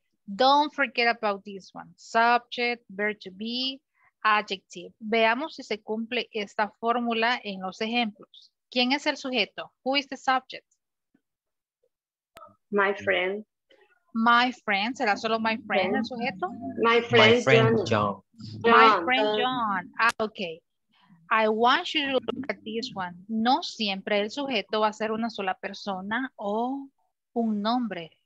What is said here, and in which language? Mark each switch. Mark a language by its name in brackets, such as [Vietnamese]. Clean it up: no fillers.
[English] Don't forget about this one. Subject, verb to be, adjective. [Spanish] Veamos si se cumple esta fórmula en los ejemplos. ¿Quién es el sujeto? [English] Who is the subject? My friend. [Spanish] My friend, ¿será solo my friend el sujeto? [English] My friend John. Ah, okay. I want you to look at this one. [Spanish] No siempre el sujeto va a ser una sola persona o un nombre.